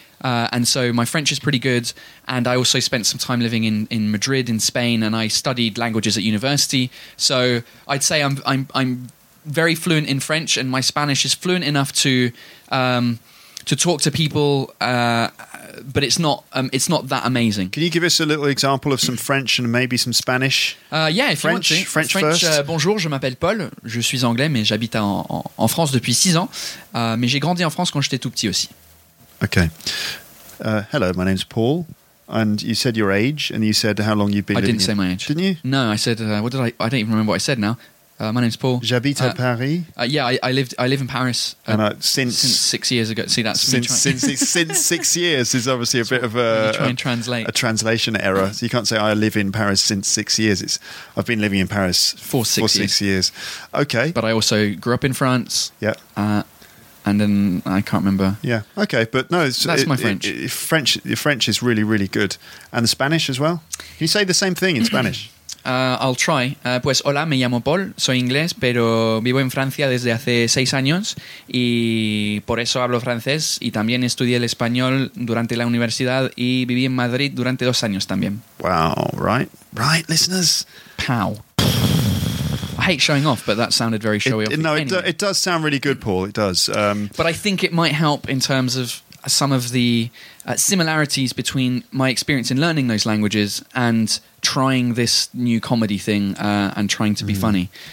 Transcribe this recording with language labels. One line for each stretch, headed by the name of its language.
English: And so my French is pretty good. And I also spent some time living in Madrid, in Spain, and I studied languages at university. So I'd say I'm very fluent in French, and my Spanish is fluent enough to talk to people, but it's not that amazing. Can you give us a little example of some French and maybe some Spanish? French first.
French: Bonjour, je m'appelle Paul. Je suis anglais, mais j'habite en France depuis 6 ans. Mais j'ai grandi en France quand j'étais tout petit aussi.
English: Okay. Hello, my name's Paul. And you said your age, and you said how long you've been. I didn't say my age. Didn't you? No, I said, what did I? I don't even remember what I said now. My name's Paul.
French: J'habite à Paris.
English: I live in Paris. And since 6 years ago. See, that's since 6 years is obviously a bit of a translation error. So you can't say I live in Paris since 6 years. I've been living in Paris for six years. Okay. But I also grew up in France. Yeah. And then I can't remember. Yeah. Okay. But no, my French. French is really, really good. And the Spanish as well. Can you say the same thing in Spanish? I'll try.
Spanish: Pues hola, me llamo Paul, soy inglés, pero vivo en Francia desde hace 6 años y por eso hablo francés y también estudié el español durante la universidad y viví en Madrid durante 2 años también.
English: Wow, right, listeners. Pow. I hate showing off, but that sounded very showy. It does sound really good, Paul, it does. But I think it might help in terms of some of the similarities between my experience in learning those languages and trying this new comedy thing and trying to be funny.